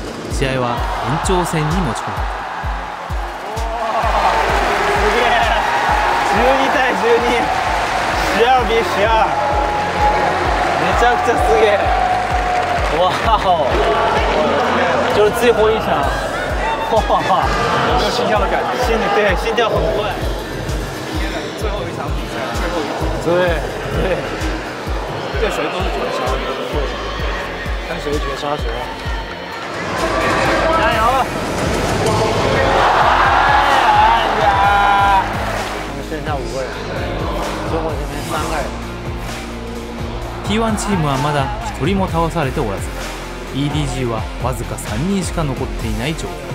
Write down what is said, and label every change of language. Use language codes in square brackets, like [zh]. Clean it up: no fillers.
[ja] 試合は延長戦に持ち込まれた。すげえ、12対12、シアビシア、めちゃくちゃすげえ。 [zh] わお、就是最后一场，哇哈哈，有没有心跳的感觉？心对，心跳很快。最后一场比赛，最后一场。对对，对谁都是绝杀，你都会，看谁绝杀谁。加油！哎呀！我们剩下五个人，最后这边三个人。 [ja] T1 チームはまだ一人も倒されておらず、EDG はわずか3人しか残っていない状況。